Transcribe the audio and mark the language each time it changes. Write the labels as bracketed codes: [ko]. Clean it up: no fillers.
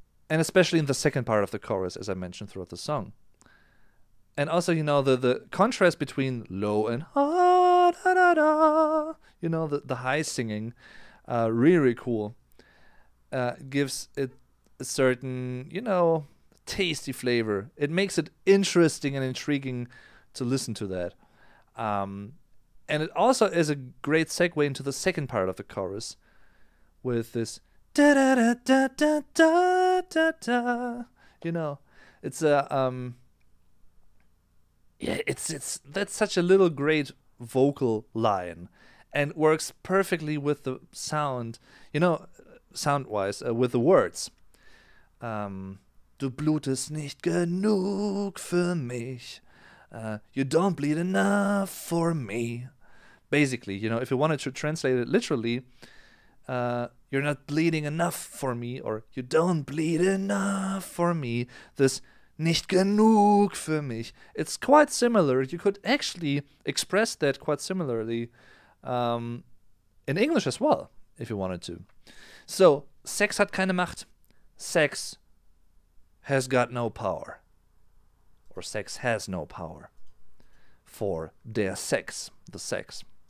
[en] And especially in the second part of the chorus, as I mentioned throughout the song. And also, you know, the contrast between low and high, da, da, da, you know, the high singing, really cool, gives it a certain, you know, tasty flavor. It makes it interesting and intriguing to listen to that. And it also is a great segue into the second part of the chorus with this, da, da, da, da, da, da, da, da. You know, it's a yeah, it's that's such a little great vocal line, and works perfectly with the sound, you know, sound wise with the words. [de] Du blutest nicht genug für mich. [en] You don't bleed enough for me. Basically, you know, if you wanted to translate it literally, you're not bleeding enough for me, or you don't bleed enough for me. [de] This nicht genug für mich. [en] It's quite similar. You could actually express that quite similarly in English as well, if you wanted to. So, Sex hat keine Macht. Sex has got no power. Or sex has no power. For der Sex, the sex.